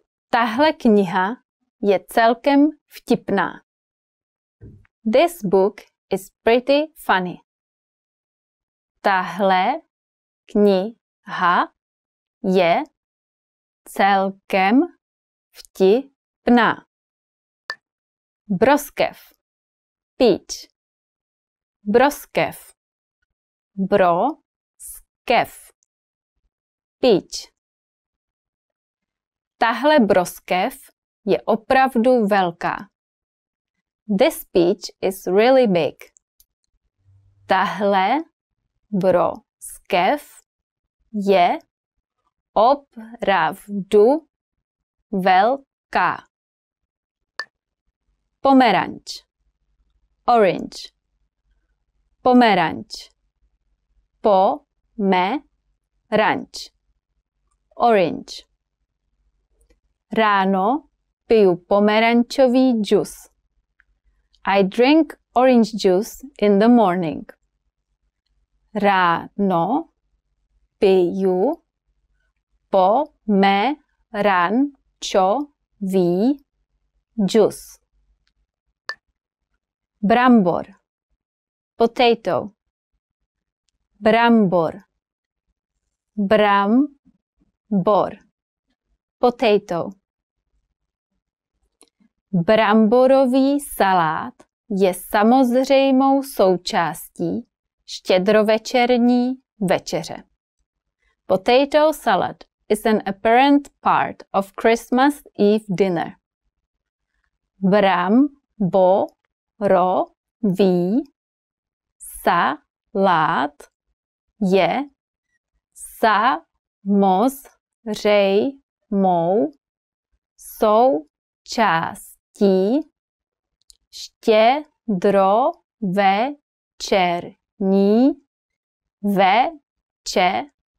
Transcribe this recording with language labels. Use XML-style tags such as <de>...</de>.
<cs>Tahle kniha je celkem vtipná.</cs> <en>This book is pretty funny.</en> <cs>Tahle kniha je celkem vtipná. Broskev.</cs> <en>Peach.</en> <cs>Broskev. Broskev.</cs> <en>Peach.</en> <cs>Tahle broskev je opravdu velká.</cs> <en>This peach is really big.</en> <cs>Tahle broskev je opravdu velká. Pomeranč.</cs> <en>Orange.</en> <cs>Pomeranč. Pomeranč.</cs> <en>Orange.</en> <cs>Ráno piju pomerančový džus.</cs> <en>I drink orange juice in the morning.</en> <cs>Ráno piju pomerančový džus. Brambor.</cs> <en>Potato.</en> <cs>Brambor. Brambor.</cs> <en>Potato.</en> <cs>Bramborový salát je samozřejmou součástí štědrovečerní večeře.</cs> <en>Potato salad is an apparent part of Christmas Eve dinner.</en> <cs>Bramborový salát je samozřejmou součástí štědrovečerní večeře.</cs>